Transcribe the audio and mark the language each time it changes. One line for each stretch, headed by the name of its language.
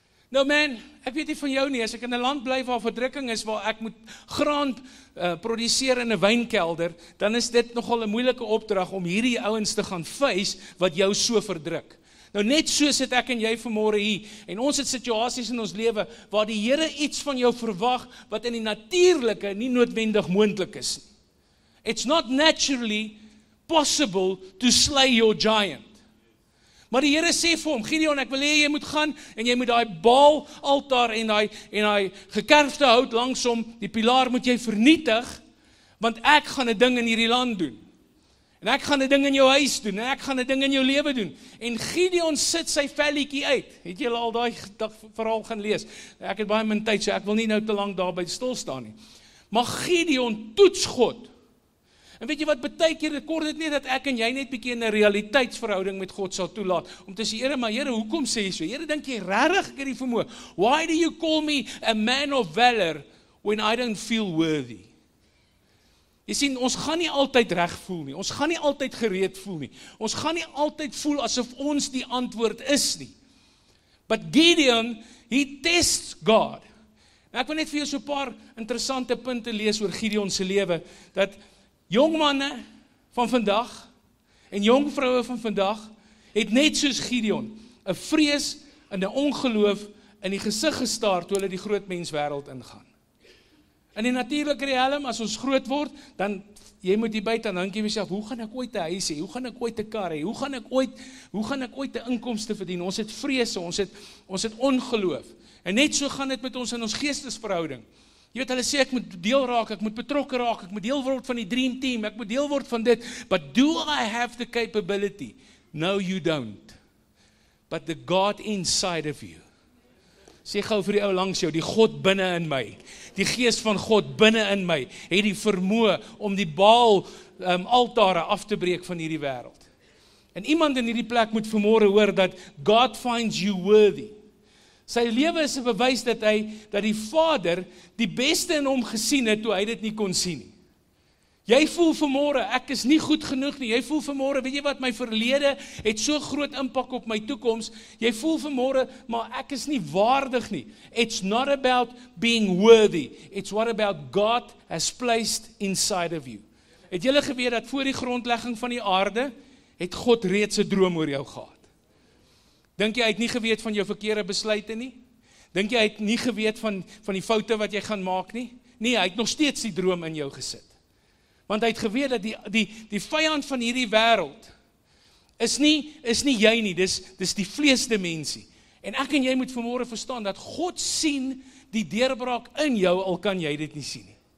Afrikaans: Nou man, ek weet nie van jou nie, as ek in 'n land bly waar verdrukking is, waar ek moet graan produseer in 'n wynkelder, dan is dit nogal 'n moeilike opdrag om hierdie ouens te gaan face wat jou so verdruk. Nou net so sit ek en jy vanmôre hier en ons het situasies in ons lewe waar die Here iets van jou verwag wat in die natuurlike nie noodwendig moontlik is nie.
English: It's not naturally possible to slay your giant.
Afrikaans: Maar die Here sê vir hom, Gideon, ek wil hê jy moet gaan en jy moet daai Baal altaar en daai gekerfde hout langs hom, die pilaar moet jy vernietig want ek gaan 'n ding in hierdie land doen. En ek gaan 'n ding in jou huis doen, en ek gaan 'n ding in jou lewe doen. En Gideon sit sy velletjie uit. Het jy al daai verhaal gaan lees? Ek het baie min tyd, so ek wil nie nou te lang daarby stil staan nie. Maar Gideon toets God. En weet jy wat, baie keer rekord dit nie dat ek en jy net bietjie in 'n realiteitsverhouding met God sal toelaat. Om te sê, Here, maar Here, hoekom sê jy so? Here, dink jy regtig ek het die vermoë?
English: Why do you call me a man of valor when I don't feel worthy?
Afrikaans: Jy sien, ons gaan nie altyd reg voel nie, ons gaan nie altyd gereed voel nie, ons gaan nie altyd voel asof ons die antwoord is nie.
English: But Gideon, he tests God.
Afrikaans: En ek wil net vir jou so paar interessante punte lees oor Gideon se lewe, dat jong manne van vandag en jong vroue van vandag het net soos Gideon, 'n vrees en 'n ongeloof in die gesig gestaar toe hulle die groot menswêreld ingaan. In die natuurlijke realm, as ons groot word, dan, jy moet hier buiten, dan kie myself, hoe gaan ek ooit een huis hee, hoe gaan ek ooit een kar hee, hoe gaan ek ooit een inkomste verdien, ons het vrees, ons het ongeloof, en net so gaan dit met ons in ons geestesverhouding, jy weet, hulle sê, ek moet deel raak, ek moet betrokken raak, ek moet deel word van die dream team, ek moet deel word van dit,
English: but do I have the capability? No, you don't, but the God inside of you,
Afrikaans: sê gauw vir die ou langs jou, die God binne in my, die gees van God binne in my, het die vermoë om die Baal altare af te breek van hierdie wêreld. En iemand in hierdie plek moet vanmôre hoor dat God
English: finds you worthy.
Afrikaans: Sy lewe is 'n bewys dat die Vader die beste in hom gesien het toe hy dit nie kon sien nie. Jy voel vanmôre, ek is nie goed genoeg nie, jy voel vanmôre, weet jy wat, my verlede het so groot impak op my toekoms, jy voel vanmôre, maar ek is nie waardig nie.
English: It's not about being worthy, it's what about God has placed inside of you.
Afrikaans: Het julle geweet dat voor die grondlegging van die aarde, het God reeds 'n droom oor jou gehad? Dink jy, hy het nie geweet van jou verkeerde besluite nie? Dink jy, hy het nie geweet van die foute wat jy gaan maak nie? Nee, hy het nog steeds die droom in jou gesit. Want hy het geweet dat die vyand van hierdie wêreld is nie jy nie, dis die vleesdimensie. En ek en jy moet vanmôre verstaan dat God sien die deurbraak in jou, al kan jy dit nie sien nie.